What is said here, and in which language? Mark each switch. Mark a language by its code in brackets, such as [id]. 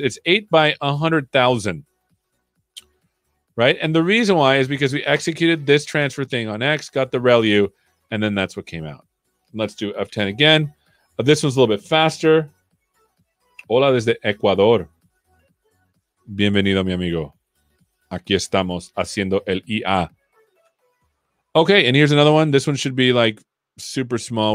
[en] It's 8 by 100,000, right? And the reason why is because we executed this transfer thing on X, got the ReLU, and then that's what came out. Let's do F10 again. This one's a little bit faster. [es] Hola desde Ecuador. Bienvenido, mi amigo. Aquí estamos haciendo el IA. [en] Okay, and here's another one. This one should be like super small.